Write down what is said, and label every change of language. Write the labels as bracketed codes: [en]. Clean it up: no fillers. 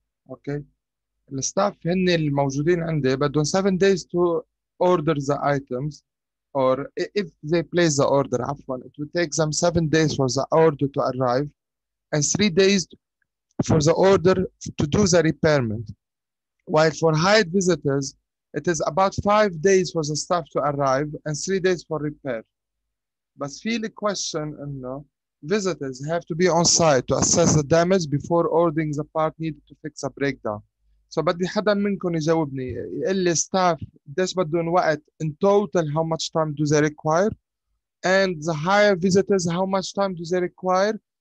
[ar] اوكي, ال staff هن الموجودين عندي بدهم [en] 7 days to order the items, or if they place the order, عفوا, it will take them 7 days for the order to arrive and 3 days for the order to do the repairment. While for hired visitors, it is about 5 days for the staff to arrive and 3 days for repair. But feel the question, you know, visitors have to be on site to assess the damage before ordering the part needed to fix a breakdown. So [ar] بدي حدا منكم يجاوبني, يقول لي staff قديش بدهم وقت [en] in total, how much time do they require? And the higher visitors, how much time do they require?